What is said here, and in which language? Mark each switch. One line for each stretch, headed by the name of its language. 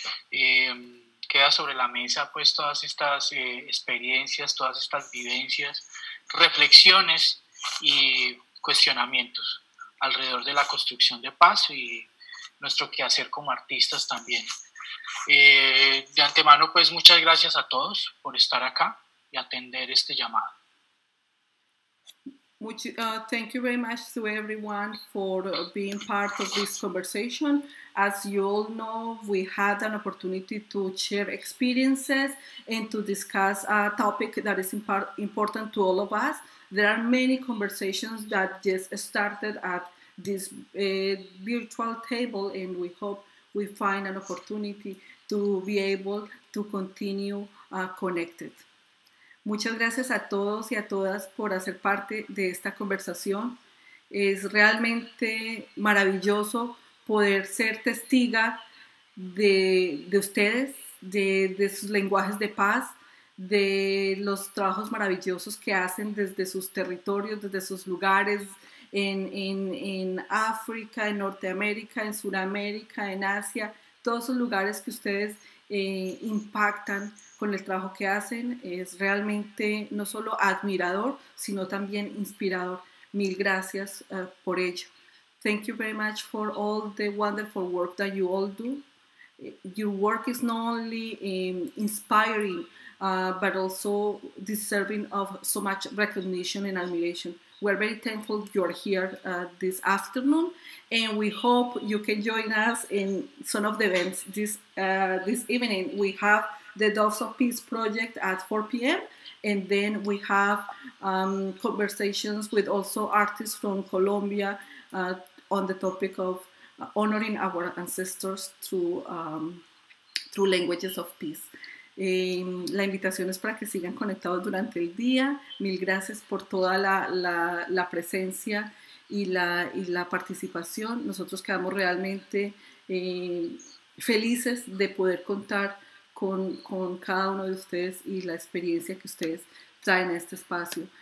Spanish: Queda sobre la mesa pues todas estas experiencias, todas estas vivencias, reflexiones y cuestionamientos alrededor de la construcción de paz y nuestro quehacer como artistas también. De antemano, pues muchas gracias a todos por estar acá y atender este llamado.
English: Thank you very much to everyone for being part of this conversation. As you all know, we had an opportunity to share experiences and to discuss a topic that is important to all of us. There are many conversations that just started at this virtual table, and we hope we find an opportunity to be able to continue connected.
Spanish: Muchas gracias a todos y a todas por hacer parte de esta conversación. Es realmente maravilloso poder ser testiga de ustedes, de sus lenguajes de paz, de los trabajos maravillosos que hacen desde sus territorios, desde sus lugares, en África, en Norteamérica, en Sudamérica, en Asia, todos los lugares que ustedes impactan con el trabajo que hacen. Es realmente no solo admirador, sino también inspirador. Mil gracias por ello.
English: Thank you very much for all the wonderful work that you all do. Your work is not only inspiring, but also deserving of so much recognition and admiration. We're very thankful you're here this afternoon, and we hope you can join us in some of the events this evening. We have the Doves of Peace project at 4 p.m., and then we have conversations with also artists from Colombia on the topic of honoring our ancestors through languages of peace.
Spanish: La invitación es para que sigan conectados durante el día. Mil gracias por toda la presencia y la participación. Nosotros quedamos realmente felices de poder contar con cada uno de ustedes y la experiencia que ustedes traen a este espacio.